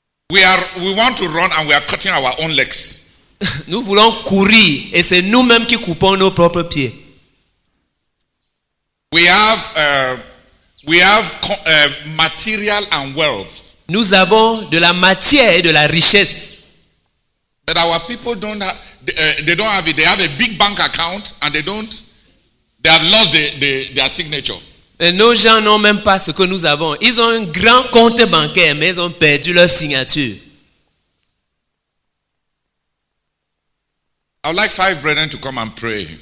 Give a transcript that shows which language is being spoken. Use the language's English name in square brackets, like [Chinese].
[English] We want to run and we are cutting our own legs. [French] Nous voulons courir et c'est nous-mêmes qui coupons nos propres pieds. [English] We have material and wealth. [French] Nous avons de la matière et de la richesse. [English] But our people don't have, they don't have it. They have a big bank account and they don't. They have lost their signature. [French] Et nos gens n'ont même pas ce que nous avons. Ils ont un grand compte bancaire, mais ils ont perdu leur signature. [English] I would like five brethren to come and pray.